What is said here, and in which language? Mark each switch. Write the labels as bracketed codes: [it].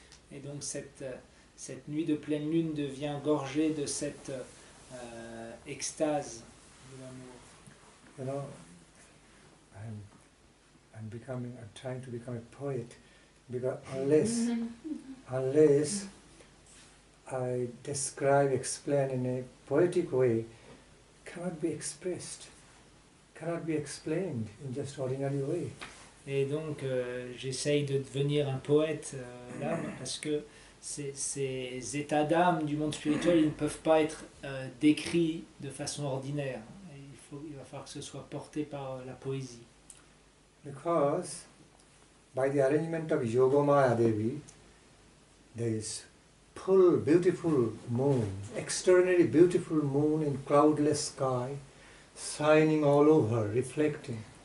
[fr] Et donc cette nuit de pleine lune devient gorgée de cette extase de l'amour. [en] You know, I'm trying to become a poet. Because unless I describe, explain in a poetic way, cannot be expressed, cannot be explained in just ordinary way. [fr] Et donc j'essaye de devenir un poète là, parce que ces états d'âme du monde spirituel, ils ne peuvent pas être décrits de façon ordinaire. Il va falloir que ce soit porté par la poésie. [en] Because by the arrangement of Yogamaya Devi, there is full, beautiful moon, extraordinarily beautiful moon in cloudless sky, shining all over, reflecting.